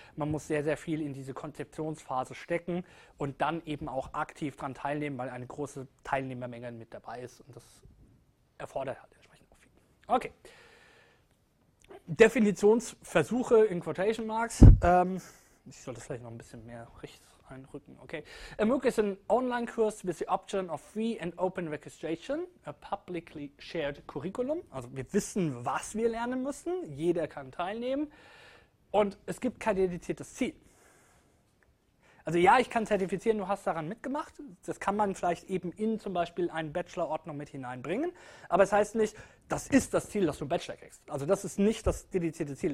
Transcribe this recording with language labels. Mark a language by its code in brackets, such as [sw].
[de] Man muss sehr, sehr viel in diese Konzeptionsphase stecken und dann eben auch aktiv daran teilnehmen, weil eine große Teilnehmermenge mit dabei ist und das erfordert halt entsprechend auch viel. Okay. Definitionsversuche in Quotation Marks. Ich sollte vielleicht noch ein bisschen mehr rechts einrücken. Okay. [en] A MOOC is an online course with the option of free and open registration, a publicly shared curriculum. [de] Also wir wissen, was wir lernen müssen. Jeder kann teilnehmen. Und es gibt kein dediziertes Ziel. Also ja, ich kann zertifizieren, du hast daran mitgemacht. Das kann man vielleicht eben in zum Beispiel eine Bachelor-Ordnung mit hineinbringen. Aber es heißt nicht, das ist das Ziel, dass du einen Bachelor kriegst. Also das ist nicht das dedizierte Ziel.